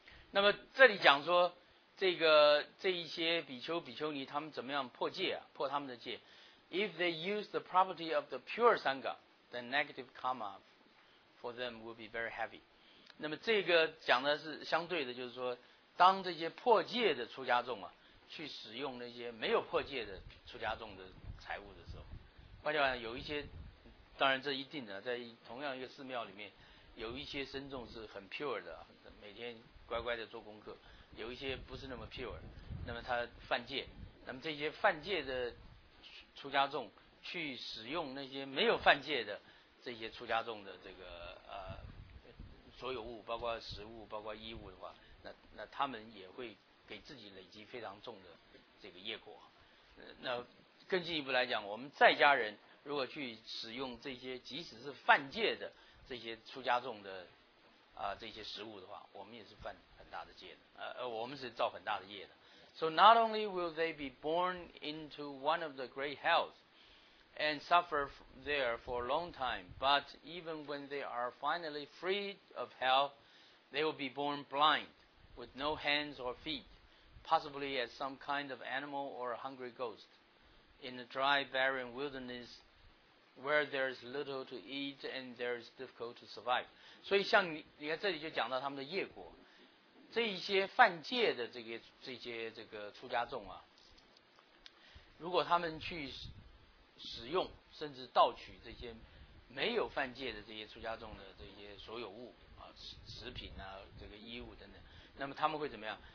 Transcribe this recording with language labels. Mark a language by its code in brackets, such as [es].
[zh] 那么这里讲说这一些比丘比丘尼他们怎么样破戒啊，破他们的戒。 [en] If they use the property of the pure Sangha, then negative karma for them will be very heavy. [zh] 那么这个讲的是相对的，就是说当这些破戒的出家众啊去使用那些没有破戒的出家众的财物的时候，换句话讲，有一些，当然这一定的，在同样一个寺庙里面有一些僧众是很 pure 的，每天乖乖的做功课，有一些不是那么 pure， 那么他犯戒，那么这些犯戒的出家众去使用那些没有犯戒的这些出家众的这个所有物，包括食物包括衣物的话，那他们也会给自己累积非常重的这个业果。那更进一步来讲，我们在家人如果去使用这些即使是犯戒的这些出家众的这些食物的话，我们也是犯很大的戒的，我们是造很大的业的。 [en] So not only will they be born into one of the great hells and suffer there for a long time, but even when they are finally freed of hell, they will be born blind, with no hands or feet, possibly as some kind of animal or a hungry ghost, in a dry, barren wilderness where there is little to eat and there is difficult to survive. [zh] 所以像你看这里就讲到他们的业果。这一些犯戒的这些这个出家众啊，如果他们去使用甚至盗取这些没有犯戒的这些出家众的这些所有物啊，食品啊，这个衣物等等，那么他们会怎么样？